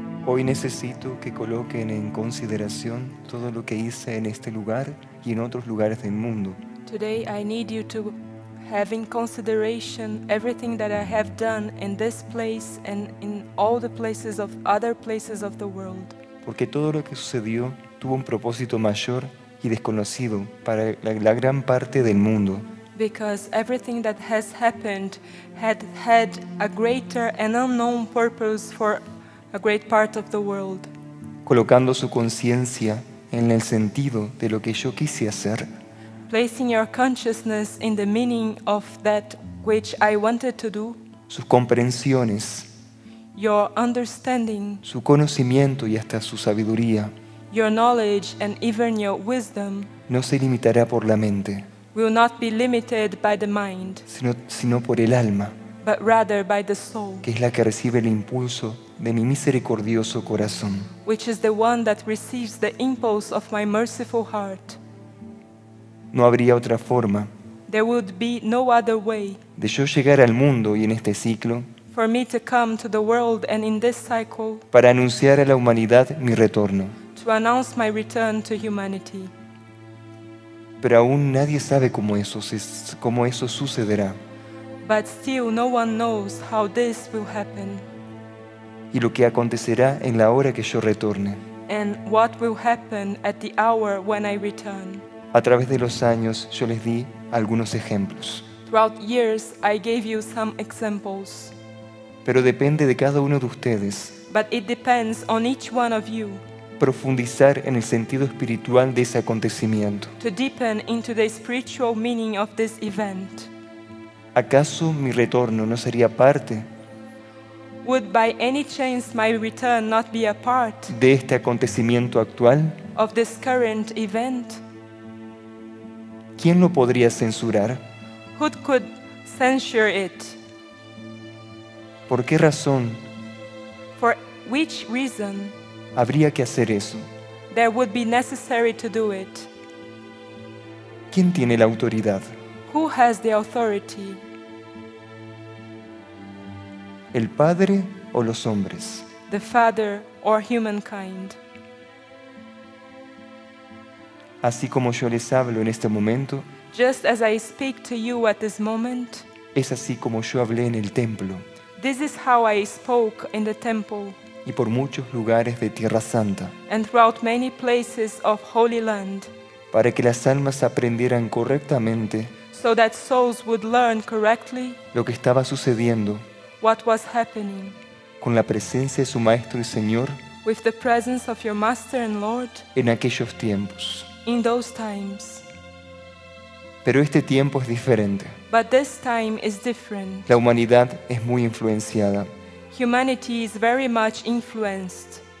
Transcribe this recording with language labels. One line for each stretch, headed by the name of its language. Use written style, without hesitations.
Spanish: Hoy necesito que coloquen en consideración todo lo que hice en este lugar y en otros lugares del mundo.
English: Today I need you to have in consideration everything that I have done in this place and in all the places of other places of the world.
Spanish: Porque todo lo que sucedió tuvo un propósito mayor y desconocido para la gran parte del mundo.
English: Because everything that has happened had a greater and unknown purpose for a great part of the world.
Spanish: Colocando su conciencia en el sentido de lo que yo quise hacer.
English: Placing your consciousness in the meaning of that which I wanted to do.
Spanish: Sus comprensiones.
English: Your understanding.
Spanish: Su conocimiento y hasta su sabiduría.
English: Your knowledge and even your wisdom.
Spanish: No se limitará por la mente.
English: Will not be limited by the mind.
Spanish: Sino por el alma.
English: But rather by the soul.
Spanish: Que es la que recibe el impulso de mi misericordioso corazón.
English: Which is the one that receives the impulse of my merciful heart.
Spanish: No habría otra forma.
English: There would be no other way.
Spanish: De yo llegar al mundo y en este ciclo.
English: For me to come to the world and in this cycle.
Spanish: Para anunciar a la humanidad mi retorno.
English: To announce my return to humanity.
Spanish: Pero aún nadie sabe cómo eso sucederá.
English: But still no one knows how this will happen.
Spanish: Y lo que acontecerá en la hora que yo retorne.
English: And what will happen at the hour when I return.
Spanish: A través de los años yo les di algunos ejemplos.
English: Throughout years I gave you some examples.
Spanish: Pero depende de cada uno de ustedes.
English: But it depends on each one of you.
Spanish: Profundizar en el sentido espiritual de ese acontecimiento.
English: To deepen into the spiritual meaning of this event.
Spanish: ¿Acaso mi retorno no sería parte?
English: Would by any chance my return not be a part
Spanish: de este acontecimiento actual?
English: Of this current event?
Spanish: ¿Quién lo podría censurar?
English: Who could censure it?
Spanish: ¿Por qué razón?
English: For which reason?
Spanish: Habría que hacer eso.
English: There would be necessary to do it.
Spanish: ¿Quién tiene la autoridad?
English: Who has the authority?
Spanish: ¿El Padre o los hombres?
English: The Father or humankind.
Spanish: Así como yo les hablo en este momento,
English: just as I speak to you at this moment,
Spanish: es así como yo hablé en el templo,
English: this is how I spoke in the temple,
Spanish: y por muchos lugares de Tierra Santa,
English: and throughout many places of Holy Land,
Spanish: para que las almas aprendieran correctamente,
English: so that souls would learn correctly,
Spanish: lo que estaba sucediendo,
English: what was happening
Spanish: con la presencia de su maestro y señor,
English: with the presence of your master and lord,
Spanish: en aquellos tiempos,
English: in those times.
Spanish: Pero este tiempo es diferente.
English: But this time is different.
Spanish: La humanidad es muy influenciada.
English: Humanity is very much influenced.